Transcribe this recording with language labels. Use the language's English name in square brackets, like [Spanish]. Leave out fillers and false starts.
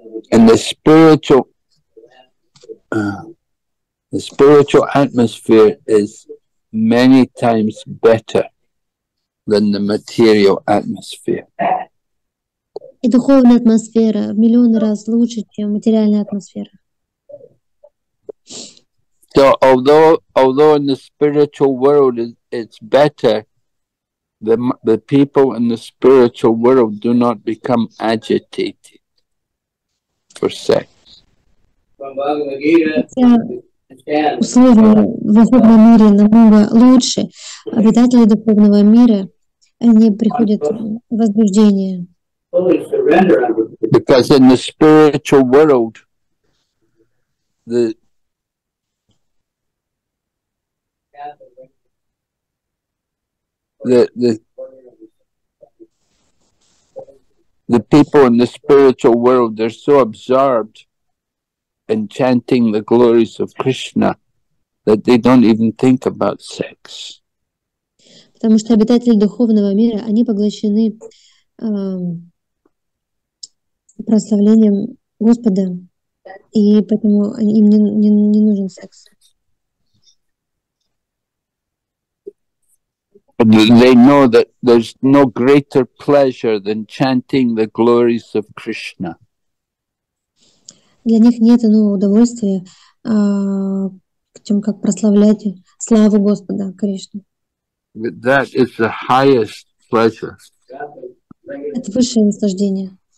[English] And the spiritual atmosphere is many times better than the material atmosphere. [Russian] И духовная атмосфера в миллионы раз лучше, чем материальная атмосфера. [English] So although in the spiritual world it's better, the people in the spiritual world do not become agitated for sex. [Russian] Условия в духовном мире намного лучше. Обитатели духовного мира, они приходят в возбуждение. [English] Because in the spiritual world, the people in the spiritual world, they're so absorbed in chanting the glories of Krishna that they don't even think about sex. [Russian] Потому что обитатели духовного мира, они поглощены прославлением Господа, и поэтому им не нужен секс. [English] They know that there's no greater pleasure than chanting the glories of Krishna. [Russian] Для них нет иного удовольствия, чем как прославлять славу Господа Кришны. [English] That is the highest pleasure. [Russian] Это высшее наслаждение.